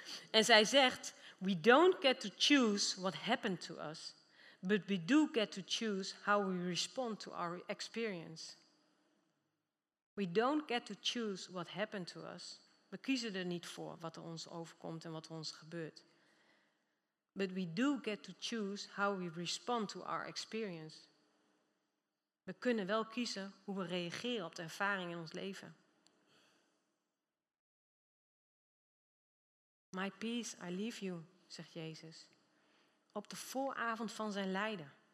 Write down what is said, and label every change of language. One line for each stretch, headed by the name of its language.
Dutch: En zij zegt,
English: we don't get to choose what happened to us, but we do get to choose how we respond to our experience. We don't get to choose what happened to us.
Dutch: We kiezen er niet voor wat er ons overkomt en wat er ons gebeurt.
English: But we do get to choose how we respond to our experience.
Dutch: We kunnen wel kiezen hoe we reageren op de ervaring in ons leven.
English: My peace, I leave you,
Dutch: zegt Jezus. Op de vooravond van zijn lijden.